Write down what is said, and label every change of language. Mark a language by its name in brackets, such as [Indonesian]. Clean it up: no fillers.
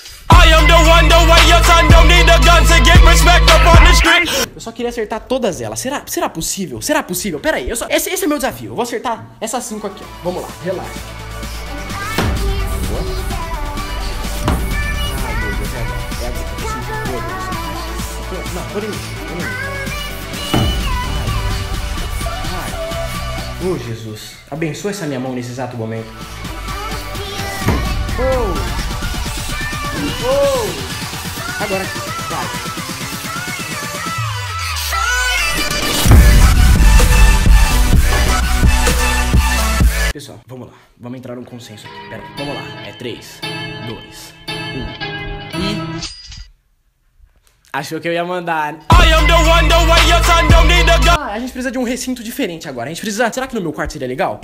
[English] I am the one, the way your son don't need a gun to get respect up on the street. [Portuguese] Eu só queria acertar todas elas. Será possível? Será possível? Pera aí, eu só. Esse é meu desafio. Eu vou acertar essas 5 aqui. Vamos lá, relaxa. Ai, meu Deus. Oh, Jesus. Abençoa essa minha mão nesse exato momento. Oh! Agora aqui. Vai. Pessoal, vamos lá. Vamos entrar num consenso aqui. Pera aí. Vamos lá. É 3, 2, 1. E. Achou que eu ia mandar. [English] I am the one, the way your son don't need a gun. [Portuguese] A gente precisa de um recinto diferente agora. A gente precisa. Será que no meu quarto seria legal?